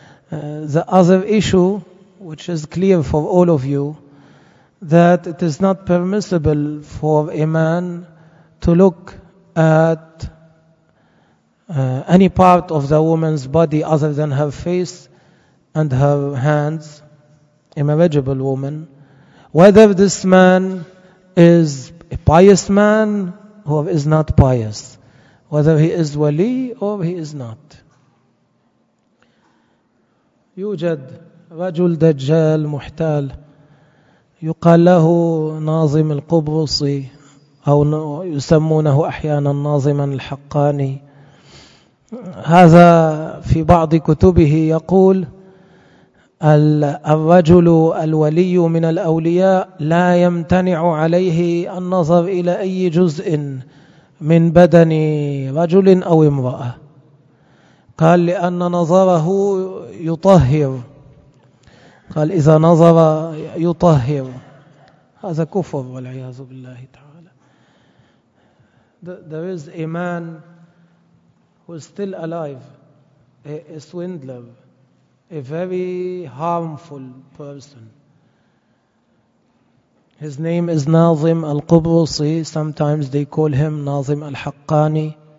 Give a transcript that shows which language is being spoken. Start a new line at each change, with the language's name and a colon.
English: The other issue, which is clear for all of you, that it is not permissible for a man to look at any part of the woman's body other than her face and her hands, a marriageable woman, whether this man is a pious man or is not pious, whether he is wali or he is not.
Arabic: يوجد رجل دجال محتال يقال له ناظم القبرصي، أو يسمونه أحيانا ناظما الحقاني. هذا في بعض كتبه يقول الرجل الولي من الأولياء لا يمتنع عليه النظر إلى أي جزء من بدن رجل أو امرأة، قال لأن نظره يطهر. قال إذا نظر يطهر. هذا كفر والعياذ بالله تعالى.
English: There is a man who is still alive, a swindler, a very harmful person. His name is Nazim al-Qubrusi. Sometimes they call him Nazim al-Haqqani.